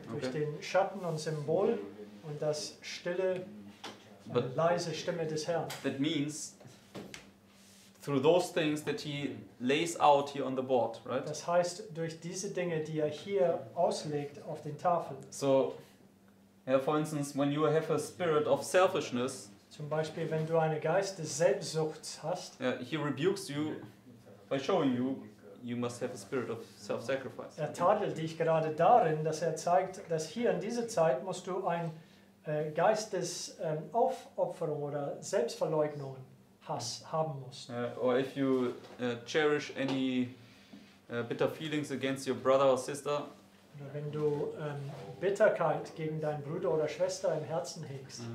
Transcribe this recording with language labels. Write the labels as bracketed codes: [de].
[de] Durch den Schatten und Symbol und das stille, leise Stimme des Herrn. [en] That means through those things that he lays out here on the board, right? [de] Das heißt durch diese Dinge, die er hier auslegt auf den Tafeln. [en] So, yeah, for instance, when you have a spirit of selfishness, [de] zum Beispiel wenn du eine Geist des Selbstsuchts hast, [en] yeah, he rebukes you by showing you. You must have a spirit of self-sacrifice. [de] Er tadelt dich gerade darin, dass er zeigt, dass hier in dieser Zeit musst du ein Geist des Aufopferung oder Selbstverleugnung haben musst. [en] Or if you cherish any bitter feelings against your brother or sister. [de] Oder wenn du Bitterkeit gegen deinen Bruder oder Schwester im Herzen hegst.